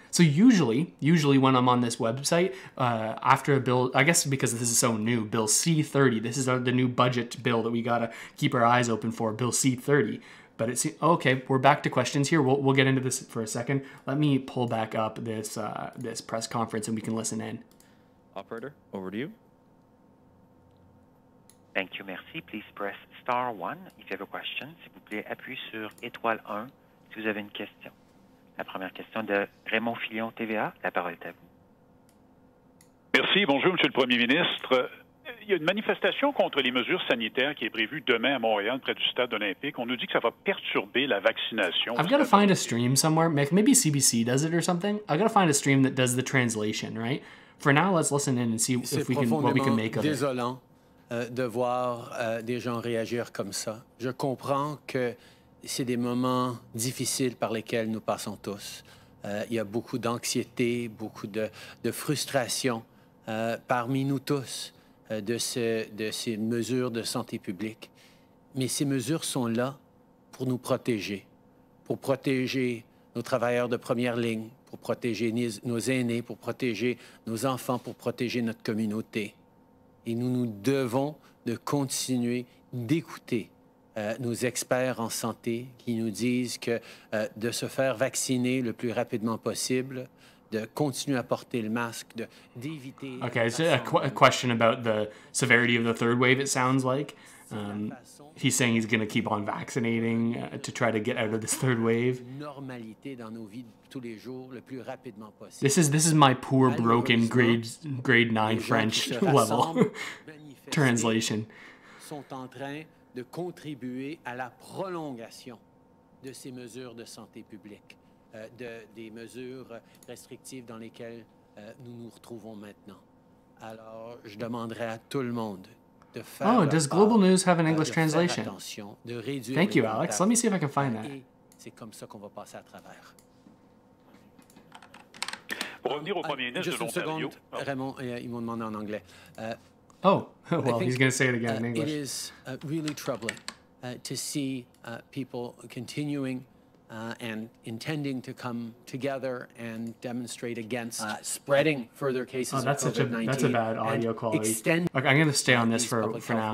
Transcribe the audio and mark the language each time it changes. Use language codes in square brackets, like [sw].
[en] So usually when I'm on this website, after a bill, I guess because this is so new, Bill C-30, this is the new budget bill that we got to keep our eyes open for, Bill C-30. But it's, okay, we're back to questions here. We'll get into this for a second. Let me pull back up this this press conference and we can listen in. Operator, over to you. Thank you, merci. Please press star 1 if you have a question. [fr] S'il vous plaît, appuyez sur étoile 1 si vous avez une question. La première question de Raymond Filion, TVA. La parole est à vous. Merci. Bonjour, Monsieur le Premier ministre. Il y a une manifestation contre les mesures sanitaires qui est prévue demain à Montréal, près du Stade olympique. On nous dit que ça va perturber la vaccination. [en] I've got to find a stream somewhere. Maybe CBC does it or something. I've got to find a stream that does the translation, right? For now, let's listen in and see if we can, what we can make of it. [fr] C'est profondément désolant de voir des gens réagir comme ça. Je comprends que c'est des moments difficiles par lesquels nous passons tous. Il y a beaucoup d'anxiété, beaucoup de frustration parmi nous tous de ces mesures de santé publique. Mais ces mesures sont là pour nous protéger, pour protéger nos travailleurs de première ligne, pour protéger nos aînés, pour protéger nos enfants, pour protéger notre communauté. Et nous devons de continuer d'écouter nos experts en santé qui nous disent que de se faire vacciner le plus rapidement possible, de continuer à porter le masque, d'éviter... [en] Okay, so a question about the severity of the third wave, it sounds like. He's saying he's going to keep on vaccinating to try to get out of this third wave. [fr] Normalité dans nos vies tous les jours le plus rapidement possible. [en] This is my poor, broken grade 9 French level translation. [fr] Sont en train de contribuer à la prolongation de ces mesures de santé publique, des mesures restrictives dans lesquelles nous nous retrouvons maintenant. Alors, je demanderai à tout le monde de faire... [en] Oh, does Global News have an English translation? [fr] Attention, de réduire... [en] Thank you, Alex. Let me see if I can find that. [fr] C'est comme ça qu'on va passer à travers. Pour revenir au premier ministre de l'Ontario... Juste une seconde, Raymond, ils m'ont demandé en anglais. [en] He's going to say it again in English. It is really troubling to see people continuing and intending to come together and demonstrate against spreading further cases of COVID-19. That's a bad audio quality. I'm going to stay on this for now.